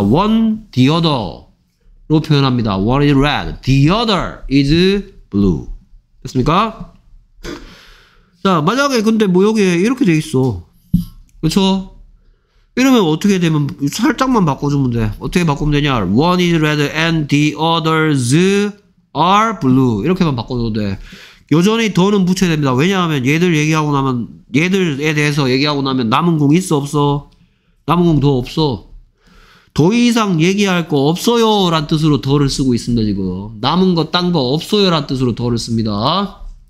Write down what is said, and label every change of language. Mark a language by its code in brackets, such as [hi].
[en] One, the other [ko] 로 표현합니다. [en] One is red, the other is blue. [ko] 됐습니까? 자, 만약에 근데 뭐 여기에 이렇게 돼 있어. 그쵸? 이러면 어떻게 되면 살짝만 바꿔주면 돼. 어떻게 바꾸면 되냐. [en] One is red and the others are blue. [ko] 이렇게만 바꿔줘도 돼. 여전히 더는 붙여야 됩니다. 왜냐하면 얘들 얘기하고 나면 얘들에 대해서 얘기하고 나면 남은 공 있어 없어? 남은 공 더 없어. 더 이상 얘기할 거 없어요 라는 뜻으로 더를 쓰고 있습니다. 지금 남은 거 딴 거 없어요 라는 뜻으로 더를 씁니다.